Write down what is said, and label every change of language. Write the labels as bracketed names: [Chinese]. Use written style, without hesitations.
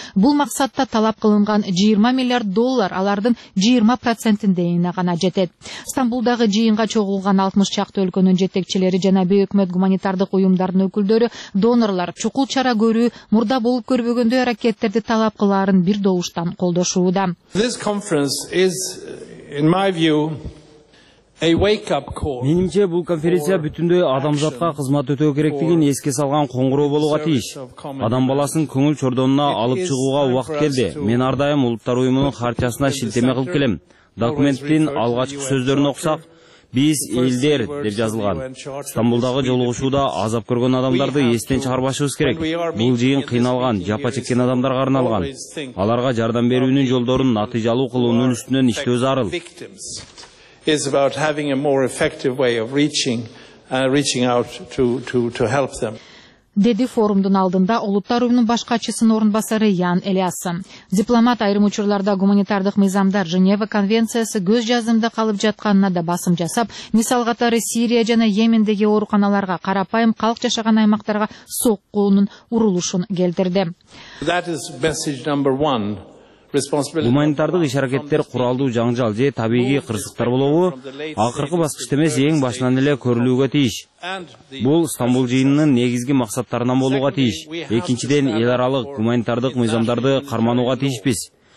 [Kyrgyz] Бул максатта талап кылынган 20 миллиард доллар алардын 20% дейине гана жетет. Стамбулдагы жыйынга чогулган 60 чактуу өлкөнүн жетекчилери жана бейөкмөт гуманитардык уюмдардын өкүлдөрү, донорлор чукул чара көрүү, мурда болуп көрбөгөндөй аракеттерди талап кылаарын бир добуштан колдошууда. [English] This conference is, in my view, a wake-up call. [Kyrgyz] Менимче бул конференция бүтүндөй адамзатка кызмат өтөө керектигин эске салган коңгуроо болууга тийиш. Адам баласын көңүл чордонуна алып чыгууга убакыт келди. Мен ар дайым улуттар уюмунун хартиясына шилтеме кылып келем. Документтин алгачкы сөздөрүн окусак, биз элдер деп жазылган. Стамбулдагы жолугушууда азап көргөн адамдарды эстен чыгарбашыбыз керек. Бул жыйын кыйналган, жапа чеккен адамдарга арналган. Аларга жардам берүүнүн жолдорун натыйжалуу кылуунун үстүнөн иштөө зарыл. [English] Is about having a more effective way of reaching out to help them. [Kyrgyz] Деди форумдун алдында улуттар уюмунун башкачысынын орун басары Ян Элиасын. Дипломат айрым учурларда гуманитардык мыйзамдар Женева конвенциясы көз жазымда калып жатканына да басым жасап, мисал катары Сирия жана Йемендеги ооруканаларга, карапайым калк жашаган аймактарга соккуунун урулушун келтирди. [English] That is message number one. [Kyrgyz] Гуманитардык иш-аракеттер куралдуу жаңжал же табигый кырсыктар болобу акыркы баскычта эмес эң башынан эле көрүлүүгө тийиш. Бул Стамбул жыйынынын негизги максаттарынан болууга тийиш. Экинчиден, эл аралык гуманитардык мыйзамдарды карманууга тийишпиз.